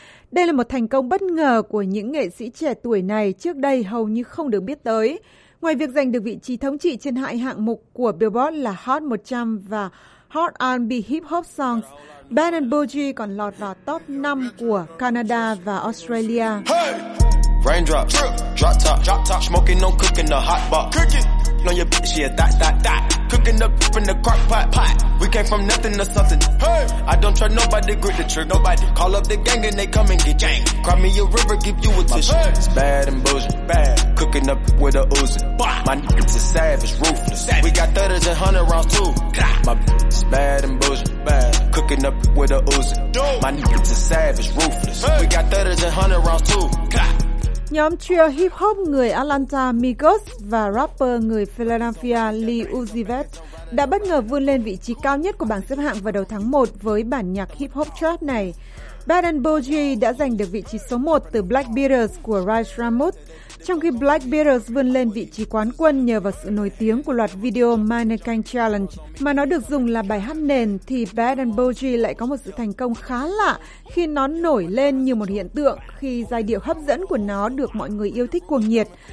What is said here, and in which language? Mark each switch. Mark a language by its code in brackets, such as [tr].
[vi] Đây là một thành công bất ngờ của những nghệ sĩ trẻ tuổi này trước đây hầu như không được biết tới. Ngoài việc giành được vị trí thống trị trên hai hạng mục của Billboard là Hot 100 và Hot R&B Hip Hop Songs, Bad and Bougie còn lọt vào top 5 của Canada và Australia. [en] Raindrops, drop top, drop top, smoking on cooking the hot pot. Cooking on your bitch, yeah, that, that, that. Cooking up in the crock pot, pot. We came from nothing to something. Hey, I don't trust nobody, grip the trigger, nobody. Call up the gang and they come and get gang. Cry me a river, give you a tissue. It's bad and bougie, bad. Cooking up with a Uzi. My niggas is savage, ruthless. We got 30s and 100 rounds too. My bitch is bad and bougie, bad. Cooking up with a Uzi. My niggas is savage, ruthless. We got 30s and 100 rounds too. [vi] Nhóm trio hip-hop người Atlanta Migos và rapper người Philadelphia Lil Uzi Vert đã bất ngờ vươn lên vị trí cao nhất của bảng xếp hạng vào đầu tháng 1 với bản nhạc hip-hop trap này. Bad and Bougie đã giành được vị trí số 1 từ Black Beatles của Rice Ramut, trong khi Black Beatles vươn lên vị trí quán quân nhờ vào sự nổi tiếng của loạt video Mannequin Challenge mà nó được dùng là bài hát nền, thì Bad and Bougie lại có một sự thành công khá lạ khi nó nổi lên như một hiện tượng khi giai điệu hấp dẫn của nó được mọi người yêu thích cuồng nhiệt.